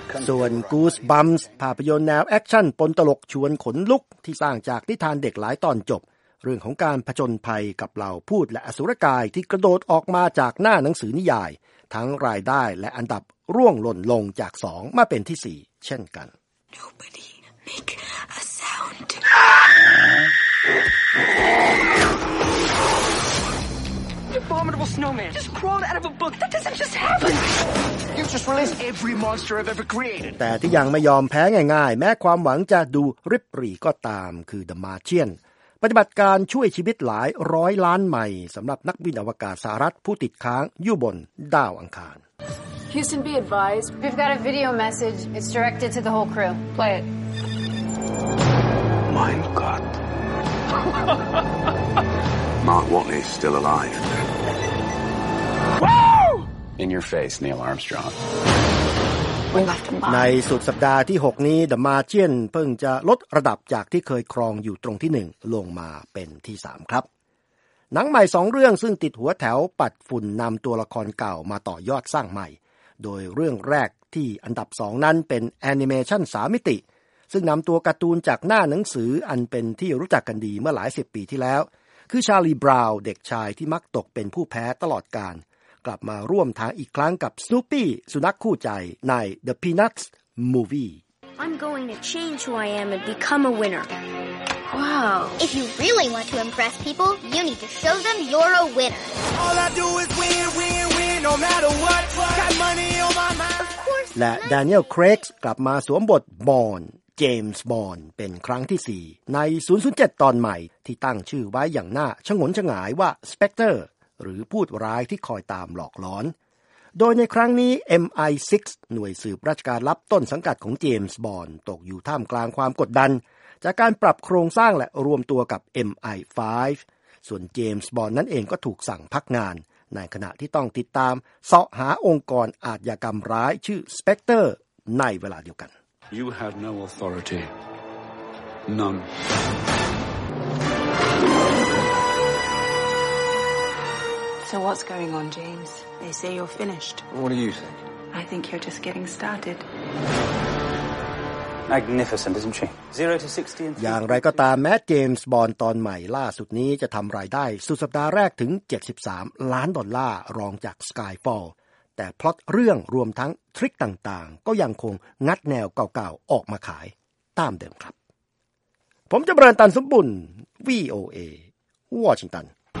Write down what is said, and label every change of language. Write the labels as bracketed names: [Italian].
[Thai] ส่วน Goosebumps ภาพยนตร์แนวแอคชั่นปนตลกชวนขนลุกที่สร้างจากนิทานเด็กหลายตอนจบเรื่องของการผจญภัยกับเหล่าพูดและอสุรกายที่กระโดดออกมาจากหน้าหนังสือนิยายทั้งรายได้และอันดับร่วงหล่นลงจาก2มาเป็นที่4เช่นกัน [English] Nobody make a sound Abominable snowman just crawled out of a book. That doesn't just happenYou've just released every monster I've ever created. [Thai] แต่ที่ยังไม่ยอมแพ้ง่ายๆแม้ความหวังจะดูริบหรี่ก็ตามคือ The Martian ปฏิบัติการช่วยชีวิตหลายร้อยล้านไมล์สำหรับนักบินอวกาศสหรัฐผู้ติดค้างอยู่บนดาวอังคาร [English] Houston, be advised. We've got a video message. It's directed to the whole crew. Play it. My God. Mark Watney is still alive. Woo! In your face, Neil Armstrong. [Thai] ในสุดสัปดาห์ที่6นี้ The Martian เพิ่งจะลดระดับจากที่เคยครองอยู่ตรงที่1ลงมาเป็นที่3ครับหนังใหม่2เรื่องซึ่งติดหัวแถวปัดฝุ่นนำตัวละครเก่ามาต่อยอดสร้างใหม่โดยเรื่องแรกที่อันดับ2นั้นเป็นแอนิเมชัน3มิติ ซึ่งนำตัวการ์ตูนจากหน้าหนังสืออันเป็นที่รู้จักกันดีเมื่อหลาย10ปีที่แล้วคือชาร์ลีบราวน์เด็กชายที่มักตกเป็นผู้แพ้ตลอดกาลกลับมาร่วมทางอีกครั้งกับสโนปี้สุนัขคู่ใจใน The Peanuts Movie [English] I'm going to change who I am and become a winner Wow If you really want to impress people you need to show them you're a winner All I do is win win win no matter what got money on my mind Of course [Thai] และ Daniel Craig กลับมาสวมบท Bond James Bond เป็นครั้งที่4ใน007ตอนใหม่ที่ตั้งชื่อไว้อย่างน่าฉงนฉงายว่า Spectreหรือพูดร้ายที่คอยตามหลอกหลอนโดยในครั้งนี้ MI6 หน่วยสืบราชการลับต้นสังกัดของเจมส์บอนด์ตกอยู่ท่ามกลางความกดดันจากการปรับโครงสร้างและรวมตัวกับ MI5 ส่วนเจมส์บอนด์นั่นเองก็ถูกสั่งพักงานในขณะที่ต้องติดตามเสาะหาองค์กรอาชญากรรมร้ายชื่อ Spectre ในเวลาเดียวกัน [English] You have no authority None So what's going on, James? They say you're finished. What do you think? I think you're just getting started. Magnificent, isn't she? 0 to 60 [Thai] อย่างไรก็ตามแม้เจมส์บอนด์ตอนใหม่ล่าสุดนี้จะทำรายได้สุดสัปดาห์แรกถึง73ล้านดอลลาร์รองจาก Skyfall แต่พล็อตเรื่องรวมทั้งทริคต่างๆก็ยังคงงัดแนวเก่าๆออกมาขายตามเดิมครับผมจะเบรนตันสมบุญ VOA Washington